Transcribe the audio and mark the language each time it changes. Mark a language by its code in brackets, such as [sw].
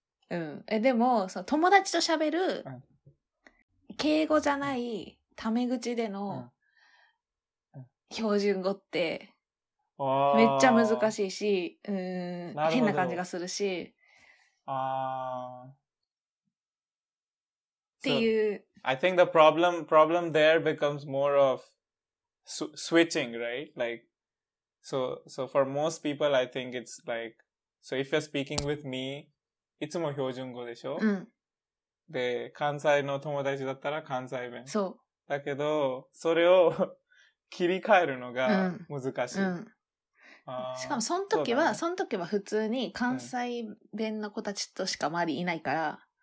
[ja] うん。でも、そう、友達と喋る、敬語じゃないタメ口での標準語って、めっちゃ難しいし、変な感じがするし。っていう。 [en] I think the problem there becomes more of switching, right? Like, so for most people, I think it's like, so if you're speaking with me, [ja] いつも標準語でしょ? うん。で、関西の友達だったら関西弁。そう。だけど、それを切り替えるのが難しい。うん。うん、しかも、その時は、その時は普通に関西弁の子たちとしか周りいないから、